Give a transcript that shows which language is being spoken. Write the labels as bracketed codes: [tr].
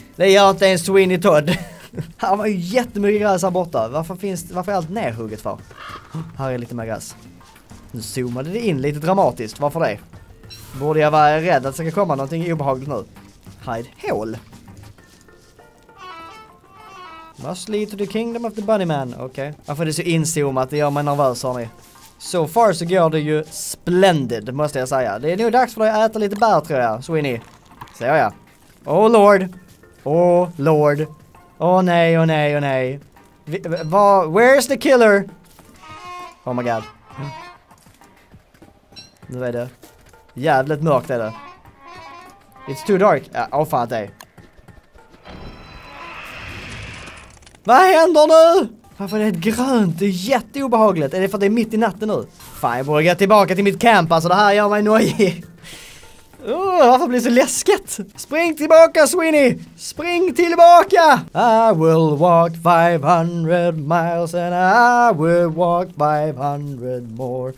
[sv] Det gör inte en Sweeney Todd. Här var ju jättemycket gräs här borta. Varför är allt nedhugget för? Här är lite mer gräs. Nu zoomade det in lite dramatiskt. Varför det? Borde jag vara rädd att det ska komma någonting obehagligt nu? Hide hål. [en] Must lead to the kingdom of the bunny man. [sv] Okej. [en] Okay. [sv] Varför är det så inzoomat? Det gör mig nervös, hörni. [en] So far [sv] så går det ju splendid, måste jag säga. Det är nog dags för dig att äta lite bär, tror jag, Sweeney. Så ja. [en] Oh lord. Oh lord. [sv] Oh nej, oh nej, oh nej. [en] Where's the killer? Oh my god. [sv] Nu är det. Jävligt mörkt är det. [en] It's too dark. [sv] Oh fan, det. Vad händer nu? Varför är det ett grönt? Det är jätteobehagligt. Är det för att det är mitt i natten nu? Fan, jag borde gå tillbaka till mitt camp. Alltså, det här gör mig nojig. Varför blir det så läskigt? Spring tillbaka, Sweeney! Spring tillbaka! [en] I will walk 500 miles and I will walk 500 more.